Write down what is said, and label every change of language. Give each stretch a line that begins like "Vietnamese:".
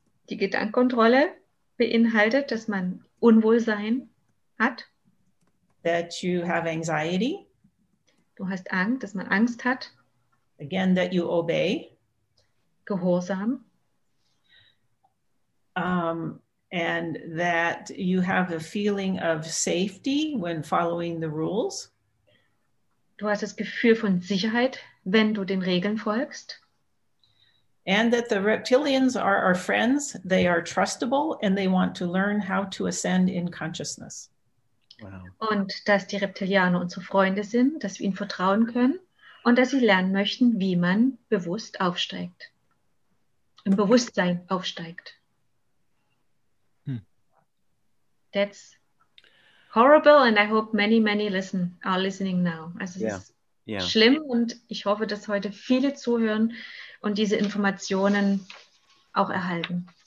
German: Die Gedankenkontrolle beinhaltet, dass man Unwohlsein hat.
English: That you have anxiety.
German: Du hast Angst, dass man Angst hat.
English: Again, that you obey.
German: Gehorsam.
English: And that you have a feeling of safety when following the rules.
German: Du hast das Gefühl von Sicherheit, wenn du den Regeln folgst.
English: And that the reptilians are our friends, they are trustable, and they want to learn how to ascend in consciousness. Wow.
German: Und dass die Reptilianer unsere Freunde sind, dass wir ihnen vertrauen können und dass sie lernen möchten, wie man bewusst aufsteigt, im Bewusstsein aufsteigt. Hm.
English: That's horrible and I hope many, many listen, are listening now.
German: Also es ist schlimm und ich hoffe, dass heute viele zuhören und diese Informationen auch erhalten.